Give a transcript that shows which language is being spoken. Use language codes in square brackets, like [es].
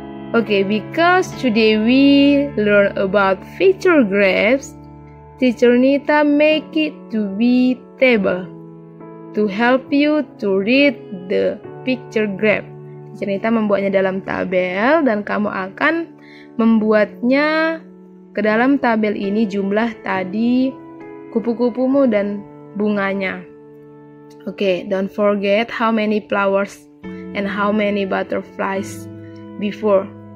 [en] Okay, because today we learn about feature graphs, Teacher Nita make it to be table to help you to read the picture graph. [id] Teacher Nita membuatnya dalam tabel dan kamu akan membuatnya ke dalam tabel ini jumlah tadi kupu-kupumu dan bunganya. [en] Okay, don't forget how many flowers and how many butterflies before.